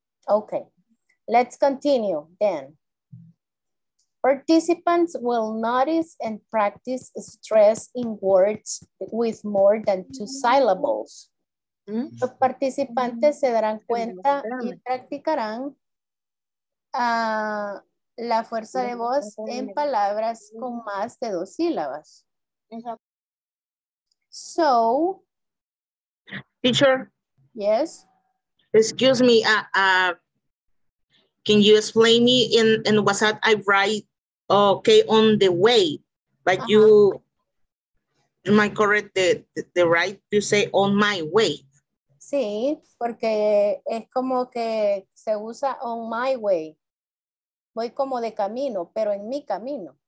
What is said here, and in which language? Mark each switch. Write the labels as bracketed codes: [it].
[en] Okay, let's continue then. Participants will notice and practice stress in words with more than two syllables. [es] Los participantes se darán cuenta y practicarán la fuerza de voz en palabras con más de dos sílabas. [en] So, teacher. Yes. Excuse me. Can you explain me in WhatsApp? I write okay on the way, but you might correct the right to say on my way. [es] Sí, porque es como que se usa [en] on my way. [es] Voy como de camino, pero en mi camino.